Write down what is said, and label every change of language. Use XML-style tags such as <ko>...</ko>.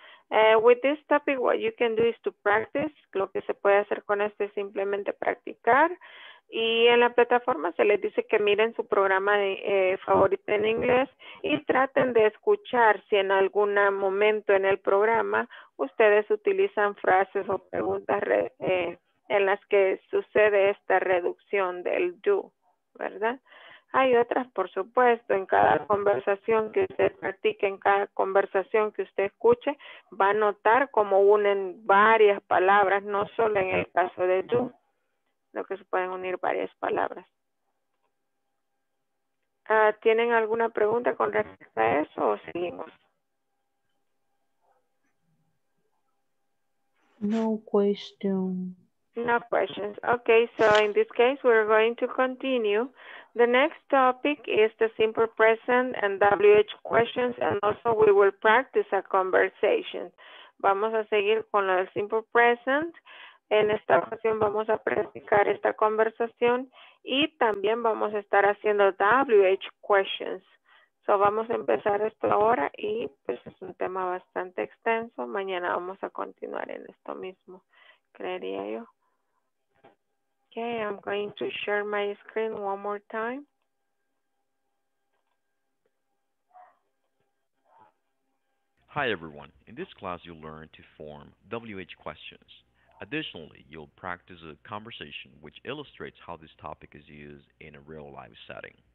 <en>With this topic, what you can do is to practice.</en> <es>Lo que se puede hacer con esto es simplemente practicar. Y en la plataforma se les dice que miren su programa favorito en inglés y traten de escuchar si en algún momento en el programa ustedes utilizan frases o preguntas en las que sucede esta reducción del do, ¿verdad? Hay otras, por supuesto, en cada conversación que usted practique, en cada conversación que usted escuche, va a notar cómo unen varias palabras, no solo en el caso de tú, sino que se pueden unir varias palabras. ¿Tienen alguna pregunta con respecto a eso o seguimos? No question. No questions.</es> <en>Okay, so in this case, we're going to continue. The next topic is the simple present and WH questions, and also we will practice a conversation.</en> <es>Vamos a seguir con lo del simple present. En esta ocasión vamos a practicar esta conversación y también vamos a estar haciendo WH questions. So vamos a empezar esto ahora y pues es un tema bastante extenso. Mañana vamos a continuar en esto mismo, creería yo.</es> <en>Okay, I'm going to share my screen one more time. Hi everyone. In this class, you'll learn to form WH questions. Additionally, you'll practice a conversation which illustrates how this topic is used in a real life setting.</en>